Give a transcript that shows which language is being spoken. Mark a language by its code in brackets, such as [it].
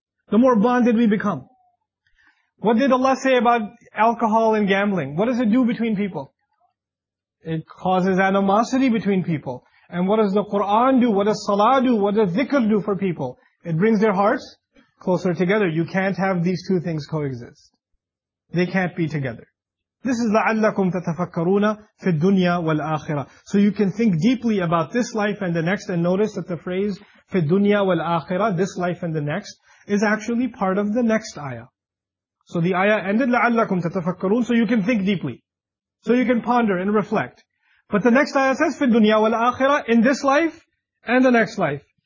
[en] The more bonded we become. What did Allah say about alcohol and gambling? What does it do between people? It causes animosity between people. And what does the Qur'an do? What does salah do? What does dhikr do for people? It brings their hearts closer together. You can't have these two things coexist. They can't be together. This is [ar] لَعَلَّكُمْ تَتَفَكَّرُونَ فِي الدُّنْيَا وَالْآخِرَةِ. [en] So you can think deeply about this life and the next, and notice that the phrase [ar] فِي الدُّنْيَا وَالْآخِرَةِ, [en] this life and the next, is actually part of the next ayah. So the ayah ended, [ar] لَعَلَّكُمْ تَتَفَكَّرُونَ, [en] so you can think deeply. So you can ponder and reflect. But the next ayah says, [ar] فِي الدُّنْيَا وَالْآخِرَةِ, [en] in this life and the next life.